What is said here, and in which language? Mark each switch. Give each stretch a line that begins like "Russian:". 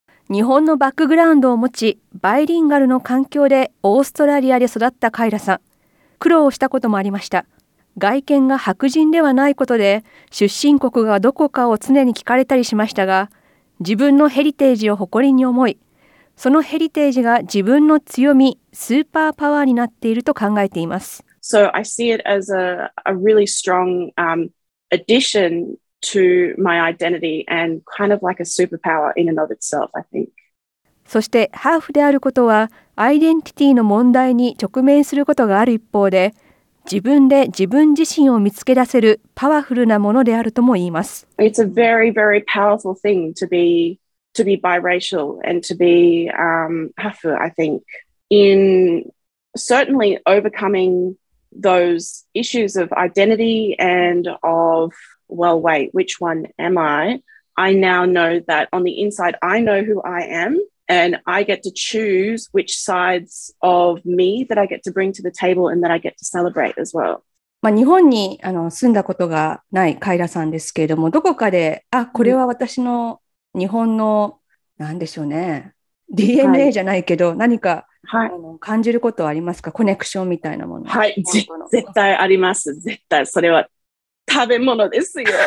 Japanese: 日本のバックグラウンドを持ち、バイリンガルの環境でオーストラリアで育ったカイラさん、苦労したこともありました。外見が白人ではないことで出身国がどこかを常に聞かれたりしましたが、自分のヘリテージを誇りに思い、そのヘリテージが自分の強み、スーパーパワーになっていると考えています。
English: So I see it as a really strong addition to my identity and kind of like a superpower in and of itself, I think.
Japanese: そしてハーフであることはアイデンティティの問題に直面することがある一方で、自分で自分自身を見つけ出せるパワフルなものであるとも言います。
English: It's a very, very powerful thing to be biracial and to be half, I think. In certainly overcoming those issues of identity and of, well, wait, which one am I? I now know that on the inside, I know who I am. And I get to choose which sides of me that I get to bring to the table and that I get to celebrate as well.
Japanese: まあ、日本に住んだことがないカイラさんですけれども、どこかで、あ、これは私の日本の、なんでしょうね、DNA じゃないけど、何か、はい、感じることはありますか？コネクションみたいなもの。はい、絶対あります。絶対。それは食べ物ですよ。